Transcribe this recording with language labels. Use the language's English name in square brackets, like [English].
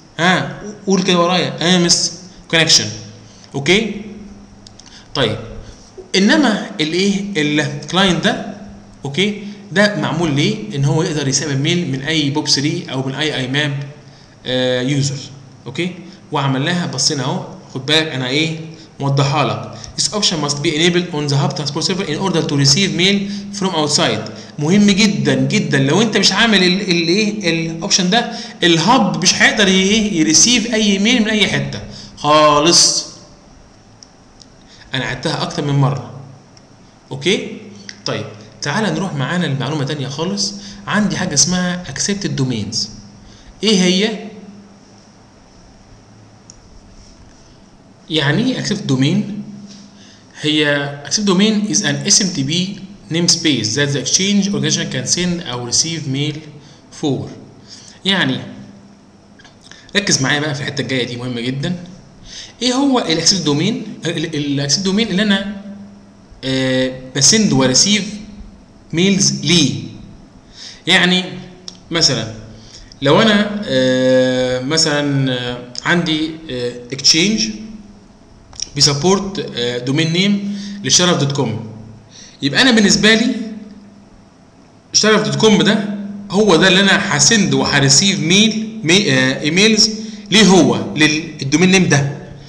[Arabic] ها قول كده ورايا، انامس كونكشن. اوكي طيب، انما الايه الكلاينت ده اوكي ده معمول ليه ان هو يقدر يستقبل ميل من اي بوب 3 او من اي اي ماب يوزر. اوكي وعملناها، بصينا اهو، خد بالك انا ايه موضحها لك. [English] This option must be enabled on the hub transport server in order to receive mail from outside. [Arabic] مهم جدا جدا، لو انت مش عامل الايه الاوبشن ده الهب مش هيقدر ايه يريسيف اي ميل من اي حته خالص. انا عدتها اكتر من مره. اوكي طيب، تعال نروح معانا لمعلومه ثانيه خالص. عندي حاجه اسمها accepted domains. ايه هي يعني [English] accepted domain؟ هي accepted domain is an SMTP namespace that the exchange organization can send or receive mail for. [Arabic] يعني ركز معايا بقى في الحته الجايه دي مهمه جدا. ايه هو accepted domain؟ accepted domain اللي انا بسند وريسيف ميلز ليه. يعني مثلا لو انا مثلا عندي exchange بيسبورت دومين نيم لشرف دوت كوم، يبقى انا بالنسبه لي شرف دوت كوم ده هو ده اللي انا هسند وهريسيف ميل ايميلز ليه، هو للدومين نيم ده.